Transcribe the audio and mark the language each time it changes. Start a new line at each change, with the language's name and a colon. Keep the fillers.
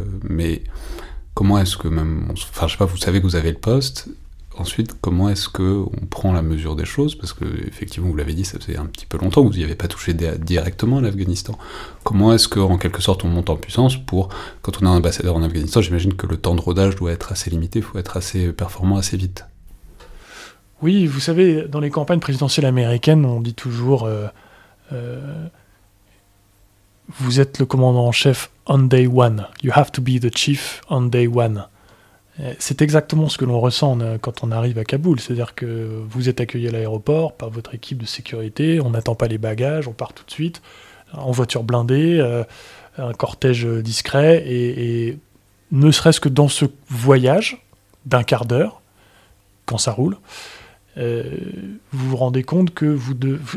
French: Mais comment est-ce que même, enfin je sais pas, vous savez que vous avez le poste, ensuite comment est-ce que on prend la mesure des choses, parce que effectivement vous l'avez dit, ça faisait un petit peu longtemps que vous n'y avez pas touché directement à l'Afghanistan, comment est-ce que en quelque sorte on monte en puissance pour, quand on est un ambassadeur en Afghanistan, j'imagine que le temps de rodage doit être assez limité, il faut être assez performant assez vite oui, vous savez, dans les campagnes présidentielles américaines, on dit toujours euh, euh, Vous êtes le commandant en chef
English: on day one. You have to be the chief on day one.
French: C'est exactement ce que l'on ressent quand on arrive à Kaboul. C'est-à-dire que vous êtes accueilli à l'aéroport par votre équipe de sécurité, on n'attend pas les bagages, on part tout de suite en voiture blindée, un cortège discret. Et, et ne serait-ce que dans ce voyage d'un quart d'heure, quand ça roule, vous vous rendez compte que vous devez...